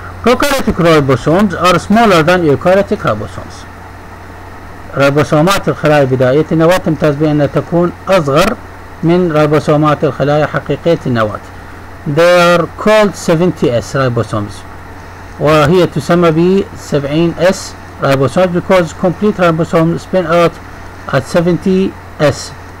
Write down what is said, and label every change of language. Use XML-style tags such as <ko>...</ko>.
<en>Prokaryotic ribosomes are smaller than eukaryotic ribosomes.</en> <ar>ريبوسومات الخلايا بداية النواة تمتاز بأنها تكون أصغر من ريبوسومات الخلايا حقيقية النواة.</ar> <en>They are called 70S ribosomes.</en> <ar>وهي تسمى بـ</ar> <en>70S ribosomes because complete ribosomes spin out at 70S.</en>